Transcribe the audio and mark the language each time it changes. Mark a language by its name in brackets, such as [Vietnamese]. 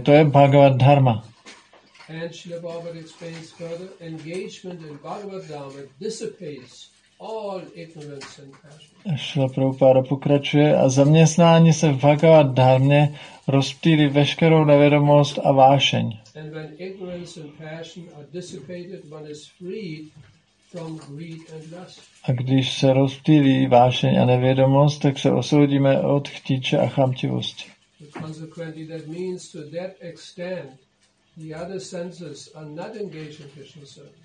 [Czech] To je Bhagavad Dharma. [English] And Srila Prabhupada explains further, engagement in Bhagavad Dharma dissipates all ignorance and passion. [Czech] Srila Prabhupada pokračuje a zaměstnání se v Bhagavad Dharmě rozptýlí veškerou nevědomost a vášeň. [English] And when ignorance and passion are dissipated, one is freed from greed and lust. [Czech] A když se rozptýlí vášeň a nevědomost, tak se osvobodíme od chtíče a chamtivosti. [English] Consequently, that means to that extent the other senses are not engaged in Krishna's service.